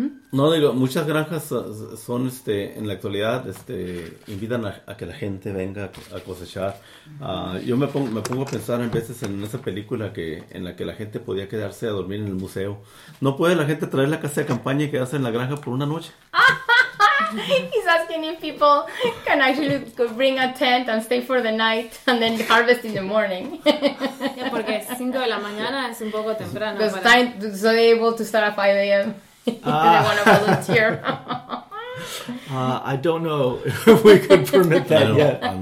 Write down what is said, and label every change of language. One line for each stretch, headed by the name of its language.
Spanish: no digo, muchas granjas son en la actualidad invitan a que la gente venga a cosechar. Yo me pongo a pensar en veces en esa película en la que la gente podía quedarse a dormir en el museo. ¿No puede la gente traer la casa de campaña y quedarse en la granja por una noche?
English: He's asking if people can actually bring a tent and stay for the night and then harvest in the morning.
Spanish: Yeah, porque 5 de la mañana es un poco temprano.
English: Because so they're able to start at 5 a.m. Ah. I want to volunteer. I don't know if we could permit that yet.